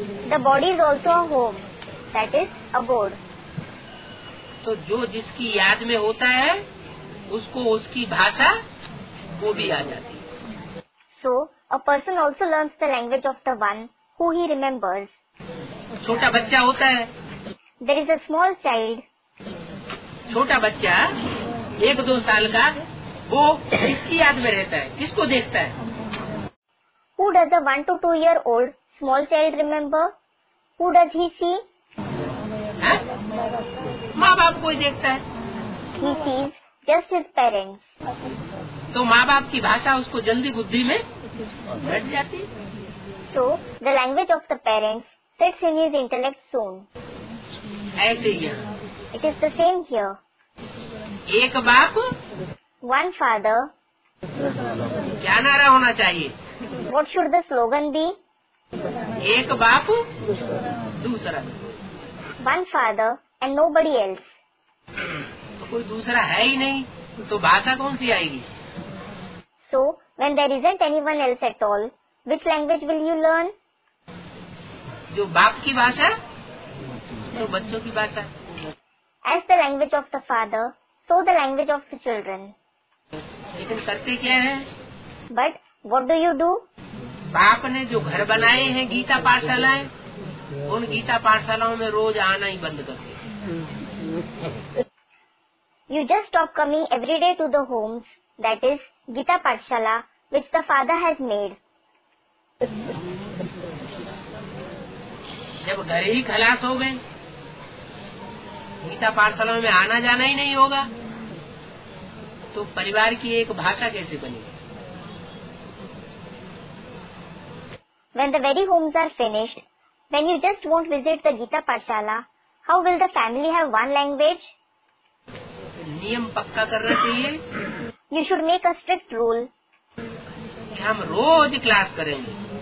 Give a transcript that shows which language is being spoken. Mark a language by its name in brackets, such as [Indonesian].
[English] The body is also a home, that is abode. [Hindi] तो जो जिसकी याद में होता है उसको उसकी भाषा वो भी आ जाती है। [English] So a person also learns the language of the one who he remembers. [Hindi] छोटा बच्चा होता है। [English] There is a small child. [Hindi] छोटा बच्चा एक दो साल का वो किसकी याद में रहता है, किसको देखता है? [English] Who does a 1 to 2 year old small child remember? Who does he see? [Hindi] माँ बाप को ही देखता [English] है। He sees just his parents. [Hindi] तो माँ बाप की भाषा उसको जल्दी बुद्धि में बैठ जाती। [English] So the language of the parents sits in his intellect soon. [Hindi] ऐसे ही। [English] It is the same here. [Hindi] एक बाप। [English] One father. [Hindi] क्या नारा होना चाहिए? [English] What should the slogan be? [Hindi] एक बाप दूसरा। [English] One father and nobody else. [Hindi] तो कोई दूसरा है ही नहीं तो भाषा कौन सी आएगी? [English] So when there isn't anyone else at all Which language will you learn? [Hindi] जो बाप की भाषा तो बच्चों की भाषा. [English] As the language of the father, so the language of the children. [Hindi] लेकिन करते क्या है? [English] But what do you do? [Hindi] बाप ने जो घर बनाए हैं गीता पाठशालाएं, उन गीता पाठशालाओं में रोज आना ही बंद कर दिया. [English] You just stop coming every day to the homes, that is Gita Pathshala, which the father has made. [Hindi] जब घर ही खलास हो गए, गीता पाठशाला में आना जाना ही नहीं होगा, तो परिवार की एक भाषा कैसे बनेगी? [English] When the very homes are finished, when you just won't visit the Gita Pathshala, how will the family have one language? [Hindi] नियम पक्का करना चाहिए. [English] You should make a strict rule. [Hindi] कि हम रोज क्लास करेंगे.